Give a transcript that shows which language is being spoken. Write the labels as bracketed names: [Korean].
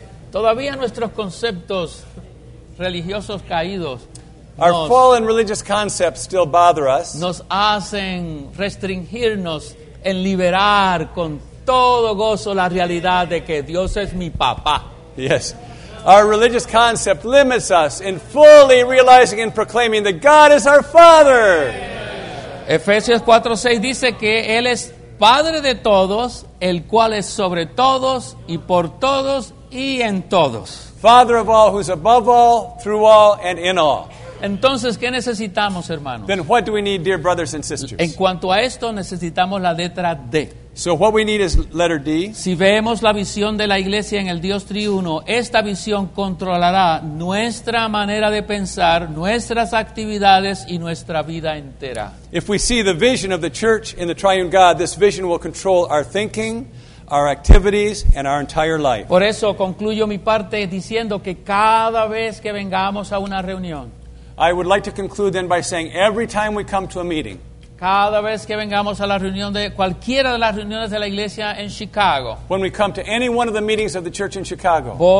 [Spanish] Todavía nuestros conceptos religiosos caídos [English] Our fallen religious concepts still bother us. [Spanish] Nos hacen restringirnos en liberar con todo gozo la realidad de que Dios es mi papá. [English] Yes. Our religious concept limits us in fully realizing and proclaiming that God is our Father. [Spanish] Efesios 4:6 dice que Él es Padre de todos, el cual es sobre todos y por todos y en todos. [English] Father of all, who's above all, through all, and in all. [Spanish] Entonces, ¿qué necesitamos, hermanos? [English] Then what do we need, dear brothers and sisters? [Spanish] En cuanto a esto, necesitamos la letra D. [English] So what we need is letter D. [Spanish] Si vemos la visión de la iglesia en el Dios triuno, esta visión controlará nuestra manera de pensar, nuestras actividades y nuestra vida entera. [English] If we see the vision of the church in the triune God, this vision will control our thinking, our activities, and our entire life. [Spanish] Por eso concluyo mi parte diciendo que cada vez que vengamos a una reunión, [English] I would like to conclude then by saying every time we come to a meeting, [Spanish] cada vez que vengamos a la reunión de cualquiera de las reuniones de la iglesia en Chicago, [English] when we come to any one of the meetings of the church in Chicago,